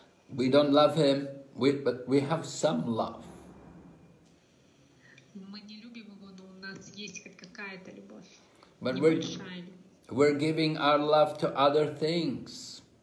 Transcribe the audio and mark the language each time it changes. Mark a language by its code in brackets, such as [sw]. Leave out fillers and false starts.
[en] We don't love him, but we have some love. [ru] Мы не любим его, но у нас есть хоть какая-то любовь. [en] But we're giving our love to other things.